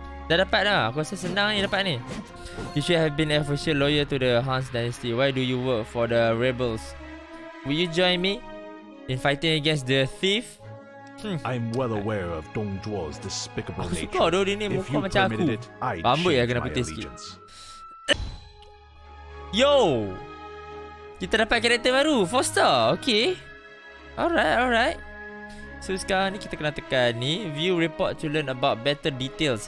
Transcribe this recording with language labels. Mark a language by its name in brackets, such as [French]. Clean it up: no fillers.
[Malay] Dah dapat lah, aku rasa senang ni dapat ni. [English] You should have been official lawyer to the Hans Dynasty. Why do you work for the rebels? Will you join me in fighting against the thief? I'm well aware of Dong Zhuo's despicable nature. [Malay] Aku suka dulu dia ni, muka macam aku. Rambut ya kena putih sikit. Yo, kita dapat karakter baru, 4-star. [English] Okay, alright. So [Malay] sekarang ni kita kena tekan ni, [English] view report to learn about better details.